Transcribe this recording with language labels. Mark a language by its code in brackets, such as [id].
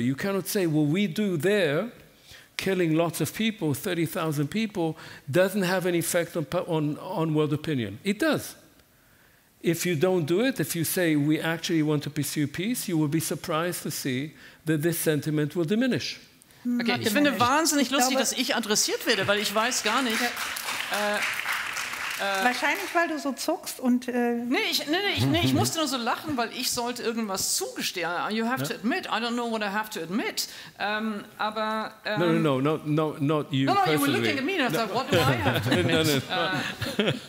[en] You cannot say, well, we do there, killing lots of people, 30,000 people, doesn't have an effect on world opinion. It does. If you don't do it, if you say we actually want to pursue peace, you will be surprised to see that this sentiment will diminish. [de] Okay, ich finde wahnsinnig lustig, dass ich adressiert werde, weil ich weiß gar nicht. Wahrscheinlich, weil du so zuckst und... Ich musste nur so lachen, weil ich sollte irgendwas zugestehen. [en] You have to admit, I don't know what I have to admit. [de] Aber... [en] Not you personally. No, you were looking at me and I thought, what do I have to admit?